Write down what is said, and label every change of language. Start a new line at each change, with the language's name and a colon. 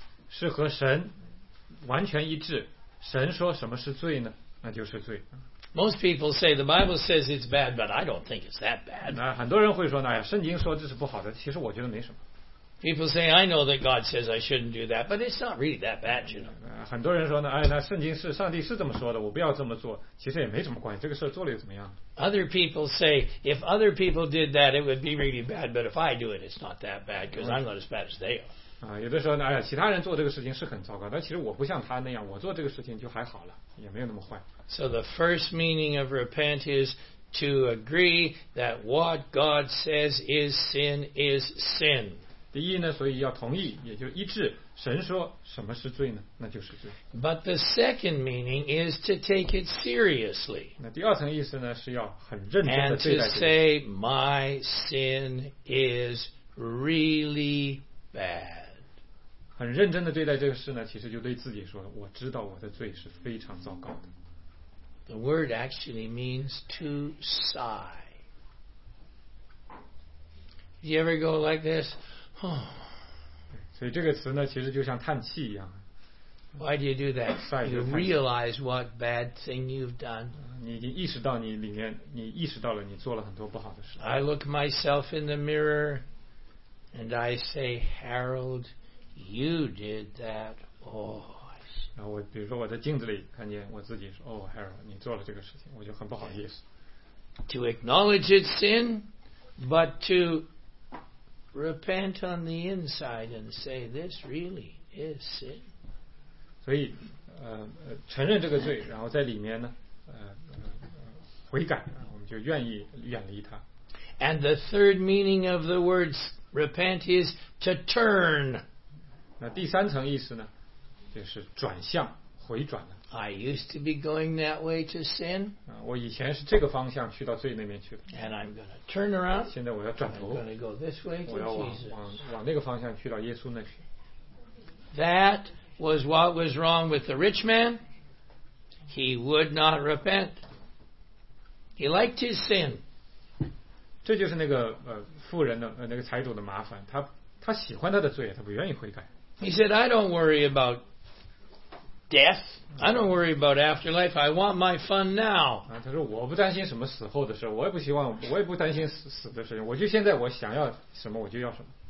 Chinese: 是和神完全一致，神说什么是罪呢？那就是罪。
English: Most people say the Bible says it's bad, but I don't think it's that bad.
Chinese: 那很多人会说呢，哎呀，圣经说这是不好的，其实我觉得没什么。
English: People say I know that God says I shouldn't do that, but it's not really that bad, you know.
Chinese: 很多人说呢，哎，那圣经是上帝是这么说的，我不要这么做，其实也没什么关系，这个事做了又怎么样？
English: Other people say if other people did that, it would be really bad, but if I do it, it's not that bad because I'm not as bad as they are.
Chinese: 有的时候呢，哎呀，其他人做这个事情是很糟糕，但其实我不像他那样，我做这个事情就还好了，也没有那么坏。
English: So the first meaning of repent is to agree that what God says is sin is sin.
Chinese: 第一呢，所以要同意，也就一致，神说什么是罪呢？那就是罪。
English: But the second meaning is to take it seriously.
Chinese: 那第二层意思呢，是要很认真地对待这个。
English: And to say my sin is really bad.
Chinese: 很认真的对待这个事呢，其实就对自己说，我知道我的罪是非常糟糕的。
English: The word actually means to sigh. Do you ever go like this? Oh.
Chinese: 所以这个词呢，其实就像叹气一样。
English: Why do you do that? You realize what bad thing you've done.
Chinese: 你已经意识到你里面，你意识到了你做了很多不好的事。
English: I look myself in the mirror, and I say, Harold. You did that. Oh.
Chinese: 然后我比如说我在镜子里看见我自己说，哦 ，Harold， 你做了这个事情，我就很不好意思。
English: To acknowledge its sin, but to repent on the inside and say this really is sin.
Chinese: 所以，承认这个罪，然后在里面呢，悔改，我们就愿意远离它。
English: And the third meaning of the words repent is to turn.
Chinese: 那第三层意思呢，就是转向、回转的。
English: I used to be going that way to sin.
Chinese: 我以前是这个方向去到罪那边去的。
English: And I'm going to turn around.
Chinese: 现在我要转头。
English: I'm going to go this way to Jesus.
Chinese: 我要往那个方向去到耶稣那去。
English: That was what was wrong with the rich man. He would not repent. He liked his sin.
Chinese: 这就是那个富人的那个财主的麻烦，他喜欢他的罪，他不愿意悔改。
English: He said, "I don't worry about death. I don't worry about afterlife. I want my fun now.
Chinese: 他说我不担心什么死后的事，我也不希望，我也不担心死的事情。我就现在我想要什么我就要什么。